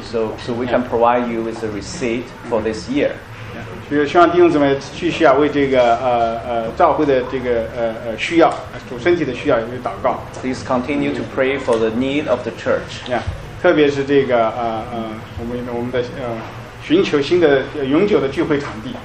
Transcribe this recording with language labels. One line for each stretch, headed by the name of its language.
English: So we can provide you with a receipt for this year.
Chinese: 所以希望弟兄姊妹继续要为这个召会的这个需要，主身体的需要有祷告。
English: Please continue to pray for the need of the church.
Chinese: 特别是这个我们的寻求新的永久的聚会场地。